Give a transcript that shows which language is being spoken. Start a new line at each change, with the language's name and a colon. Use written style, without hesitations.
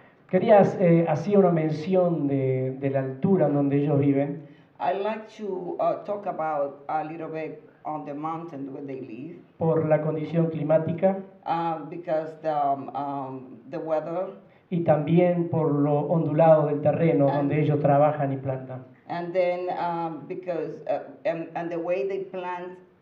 Spanish: Quería hacer una mención de la altura en donde ellos viven.
English: I like to talk about a little bit on the mountain where they live.
Spanish: Por la condición climática.
English: Because the weather.
Spanish: Y también por lo ondulado del terreno donde ellos trabajan y plantan.
English: And then because and the way they plant